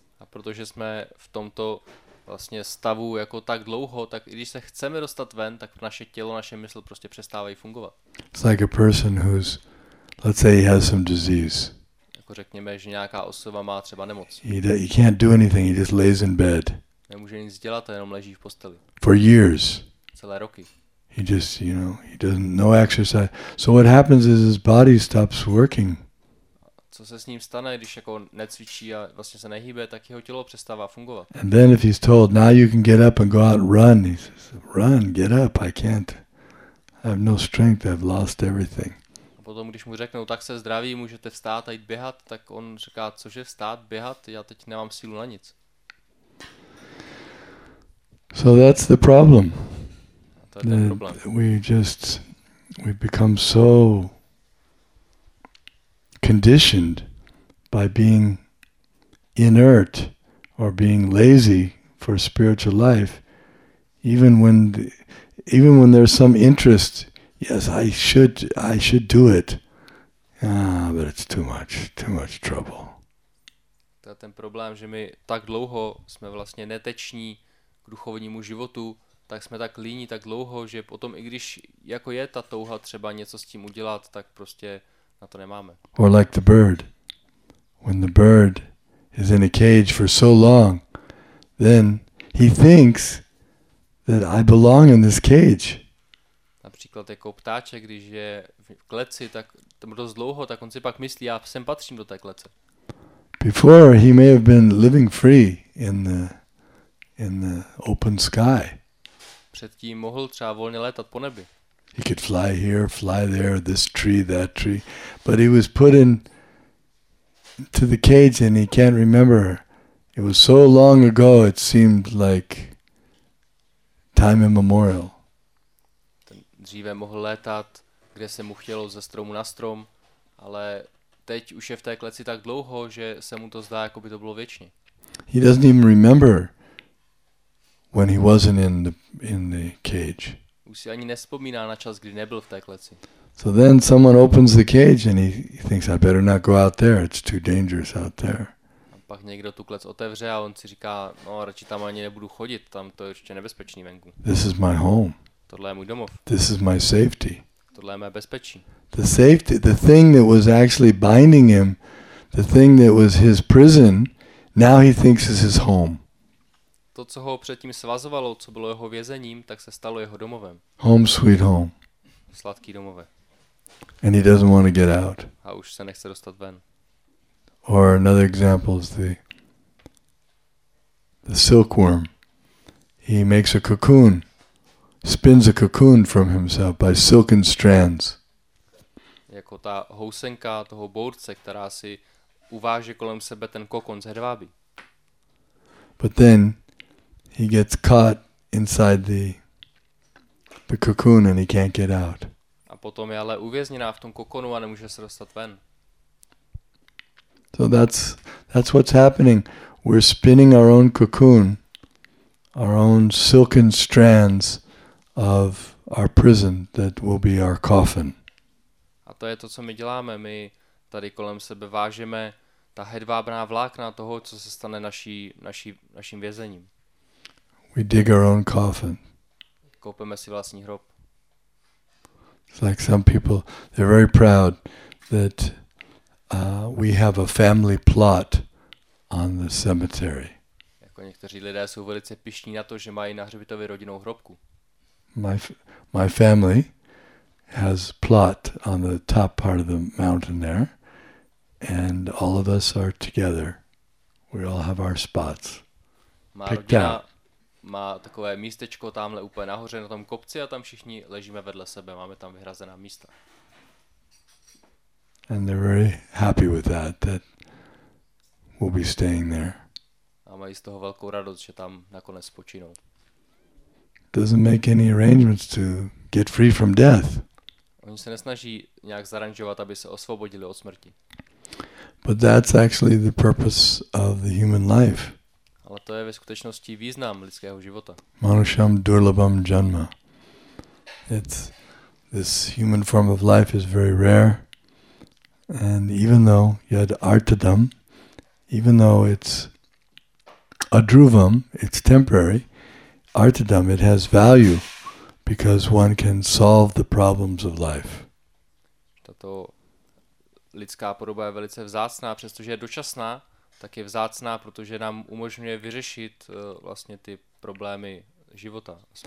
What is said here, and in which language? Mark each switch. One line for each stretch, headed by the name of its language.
Czech: Protože jsme v tomto vlastně stavu jako tak dlouho, tak i když se chceme dostat ven, tak naše tělo, naše mysl prostě přestávají fungovat.
English: It's like a person who's, let's say he has some disease.
Czech: Jako řekněme, že nějaká osoba má třeba nemoc.
English: He can't do anything, he just lays in bed.
Czech: Nemůže nic dělat, jenom leží v posteli.
English: For years.
Czech: Celé roky.
English: He just, you know, he doesn't, no exercise. So what happens is his body stops working.
Czech: Co se s ním stane, když jako necvičí a vlastně se nehýbe, tak jeho tělo přestává fungovat.
English: And then if he's told, now you can get up and go out and run, he says, run, get up, I can't, I have no strength, I've lost everything.
Czech: A potom, když mu řeknou, tak se zdraví, můžete vstát a jít běhat, tak on říká, cože vstát, běhat, já teď nemám sílu na nic.
English: So that's the problem.
Czech: A to je ten problém.
English: We become so conditioned by being inert or being lazy for spiritual life, even when there's some interest, yes, I should do it. But it's too much trouble.
Czech: To je ten problém, že my tak dlouho jsme vlastně neteční k duchovnímu životu, tak jsme tak líní tak dlouho, že potom i když jako je ta touha třeba něco s tím udělat, tak prostě na to nemáme.
English: Or like the bird. When the bird is in a cage for so long, then he thinks that I belong in this cage.
Czech: Například jako ptáček, když je v kleci, tak tam dost dlouho, tak on si pak myslí, já sem patřím do té klece.
English: Before he may have been living free in the open sky.
Czech: Předtím mohl třeba volně létat po nebi.
English: He could fly here, fly there, this tree, that tree, but he was put in to the cage and he can't remember. It was so long ago, it seemed like time immemorial.
Czech: Ten dříve mohl létat, kde se mu chtělo, ze stromu na strom, ale teď už je v té kleci tak dlouho, že se mu to zdá, jako by to bylo věčně.
English: He doesn't even remember when he wasn't in the cage.
Czech: Už si ani nespomíná na čas, kdy nebyl v té kleci.
English: So then someone opens the cage and he thinks, I better not go out there, it's too dangerous out there.
Czech: A pak někdo tu klec otevře a on si říká, no radši tam ani nebudu chodit, tam to je ještě nebezpečný venku.
English: This is my home.
Czech: Tohle je můj domov.
English: This is my safety.
Czech: Tohle je mé bezpečí.
English: The safety, the thing that was actually binding him, the thing that was his prison, now he thinks is his home.
Czech: To, co ho předtím svazovalo, co bylo jeho vězením, tak se stalo jeho domovem.
English: Home sweet home.
Czech: Sladký domove.
English: And he doesn't want to get out.
Czech: A už se nechce dostat ven.
English: Or another example is the silkworm. He makes a cocoon, spins a cocoon from himself by silken strands.
Czech: Jako ta housenka toho bource, která si uváže kolem sebe ten kokon z hedvábí.
English: But then he gets caught inside the cocoon and he can't get out.
Czech: A potom je ale uvězněná v tom kokonu a nemůže se dostat ven.
English: So that's what's happening. We're spinning our own cocoon, our own silken strands of our prison that will be our coffin.
Czech: A to je to, co my děláme. My tady kolem sebe vážeme ta hedvábná vlákna toho, co se stane naším vězením.
English: We dig our own coffin.
Czech: Koupeme si vlastní hrob.
English: It's like some people, they're very proud that we have a family plot on the cemetery.
Czech: Jako někteří lidé jsou velice pyšní na to, že mají na hřbitově rodinnou hrobku.
English: My family has plot on the top part of the mountain there, and all of us are together. We all have our spots picked out.
Czech: Má takové místečko tamhle úplně nahoře na tom kopci a tam všichni ležíme vedle sebe, máme tam vyhrazená místa.
English: And they're very happy with that we'll be staying there.
Czech: A mají z toho velkou radost, že tam nakonec spočinou.
English: Doesn't make any arrangements to get free from death.
Czech: Oni se nesnaží nějak zaranžovat, aby se osvobodili od smrti.
English: But that's actually the purpose of the human life.
Czech: Ale to je ve skutečnosti význam lidského života.
Sanskrit: Manusham durlabham janma.
English: This human form of life is very rare. And even though
Sanskrit: yad artadam,
English: even though it's adruvam, it's temporary, artadam, it has value because one can solve the problems of life.
Czech: Tato lidská podoba je velice vzácná, přestože je dočasná. Tak je vzácná, protože nám umožňuje vyřešit vlastně ty problémy života.